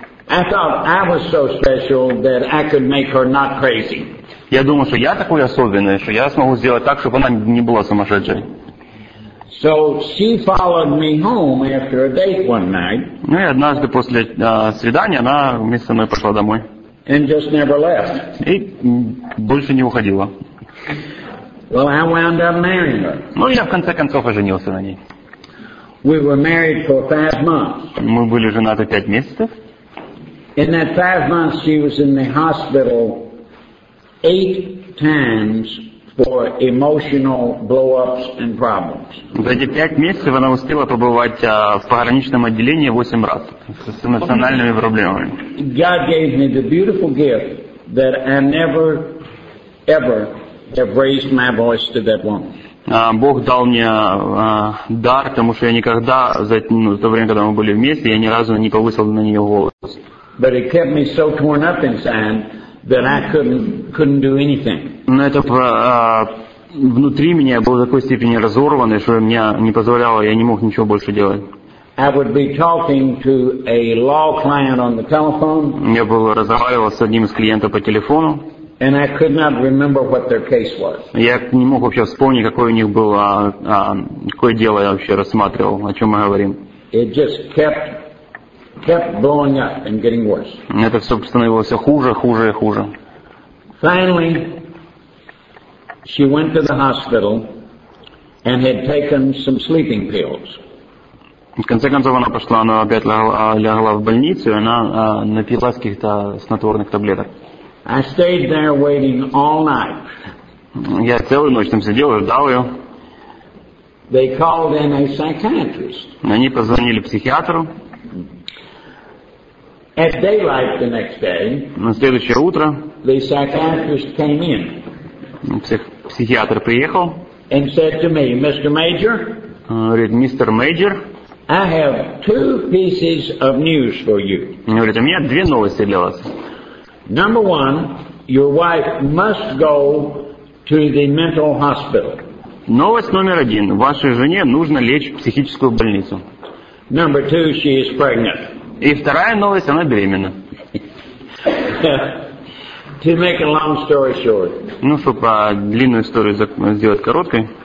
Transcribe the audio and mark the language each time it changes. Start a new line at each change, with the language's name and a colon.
English: I thought I was so special that I could make her not crazy.
Russian: Я думал, что я такой особенный, что я смогу сделать так, чтобы она не была сумасшедшей.
English: So she followed me home after a date one night.
Russian: Ну и однажды после свидания она вместе со мной пошла домой.
English: And just never left.
Russian: И больше не уходила.
English: Well, I wound up marrying her.
Russian: Ну я в конце концов оженился на ней.
English: We were married for 5 months.
Russian: Мы были женаты 5 месяцев.
English: In that 5 months she was in the hospital 8 times. For emotional blow-ups and problems.
Russian: За эти 5 месяцев она успела побывать в пограничном отделении 8 раз с эмоциональными проблемами.
English: God gave me the beautiful gift that I never, ever have raised my voice to that woman.
Russian: Бог дал мне дар, потому что я никогда за то время, когда мы были вместе, я ни разу не повысил на нее голос.
English: But it kept me so torn up inside that I couldn't do anything.
Russian: Но это внутри меня было в такой степени разорвано, что меня не позволяло, я не мог ничего больше делать.
English: I would be talking to a law client on the telephone.
Russian: Я был разговаривал с одним из клиентов по телефону.
English: And I could not remember what their case was.
Russian: Я не мог вообще вспомнить, какое у них было, какое дело я вообще рассматривал, о чем мы говорим.
English: It just kept blowing up and getting worse.
Russian: Это все становилось хуже, хуже и хуже.
English: Finally, she went to the hospital and had taken some sleeping pills.
Russian: В конце концов она пошла, она опять лягла в больницу, и она напилась каких-то снотворных таблеток.
English: I stayed there waiting all night.
Russian: Я целую ночь там сидел и ждал ее.
English: They called in a psychiatrist.
Russian: Они позвонили психиатру.
English: At daylight the next day.
Russian: На следующее утро.
English: The psychiatrist came in.
Russian: Психиатр приехал.
English: And said to me, Mr. Major.
Russian: Говорит, мистер Мейджор.
English: I have two pieces of news for you.
Russian: Говорит, у меня две новости для вас.
English: Number one, your wife must go to the mental hospital.
Russian: Новость номер один. Вашей жене нужно лечь в психическую больницу.
English: Number two, she is pregnant.
Russian: И вторая новость, она беременна.
English: To make a long story short.
Russian: Ну, чтобы длинную историю сделать короткой.